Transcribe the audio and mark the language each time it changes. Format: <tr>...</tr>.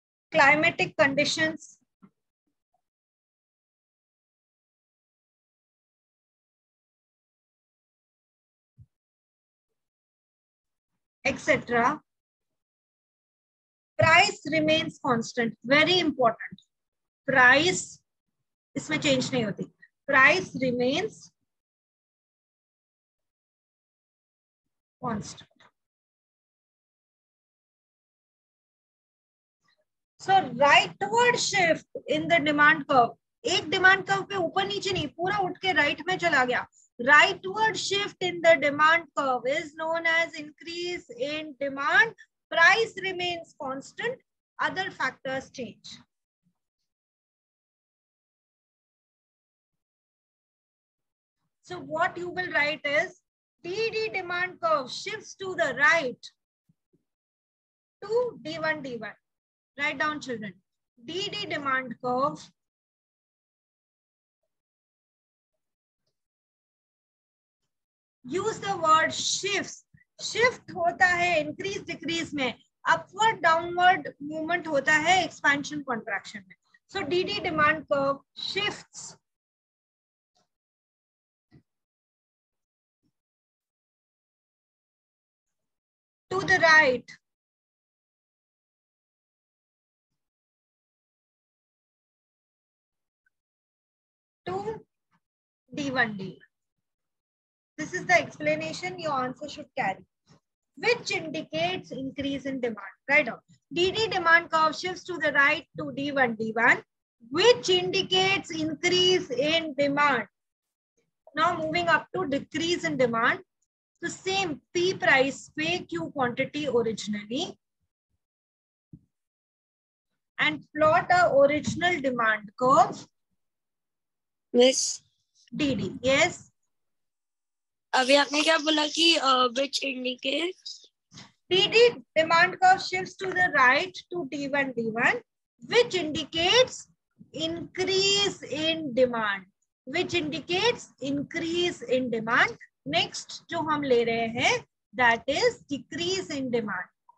<en>climatic conditions, etc. Price remains constant. Very important.</en> <hi>Price, इसमें change नहीं होती.</hi> <en>Price remains constant. So rightward shift in the demand curve.</en> <hi>एक demand curve पे ऊपर नीचे नहीं, पूरा उठ के right में चला गया.</hi> <en>Rightward shift in the demand curve is known as increase in demand. Price remains constant, other factors change. So what you will write is DD demand curve shifts to the right to D1. Write down, children. DD demand curve use the word shifts.</en> <hi>Shift होता है increase decrease में, upward downward movement होता है expansion contraction में.</hi> <en>So DD demand curve shifts to the right D1D. This is the explanation your answer should carry, which indicates increase in demand, right? DD demand curve shifts to the right to D1D1, which indicates increase in demand. Now moving up to decrease in demand, the same P price, PQ quantity originally, and plot a original demand curve. Miss DD, yes.</en> <hi>अभी आपने क्या बोला कि</hi> <en>which indicates DD demand curve shifts to the right to D1D1, which indicates increase in demand. Which indicates increase in demand. Next</en> <hi>जो हम ले रहे हैं</hi> <en>that is decrease in demand.</en>